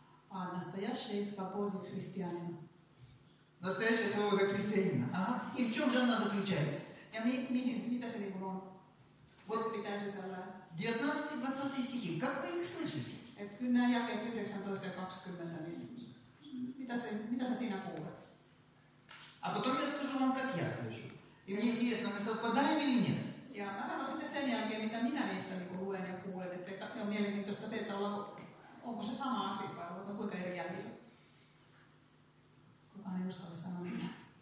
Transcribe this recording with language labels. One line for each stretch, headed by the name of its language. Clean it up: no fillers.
Russian: A настоящей свободы христианина. Настоящая свобода христианина. Ага. И в чём же она заключается?
Finnish: Ja mitä se niin kuin on?
Russian: Вот 19-20 стихи. Как вы их слышите?
Finnish: Et kun nämä jakeet 19 ja 20, niin mitä sä siinä kuulet?
Russian: А потом я скажу вам, как я слышу. И мне интересно, мы совпадаем или нет?
Finnish: Ja mä sanon sitten sen jälkeen, mitä minä niistä luen ja kuulen. Että on mielenkiintoista se, että onko se sama asia vai onko kuinka eri jäljellä. Kukaan ei uskalla sanoa mitään.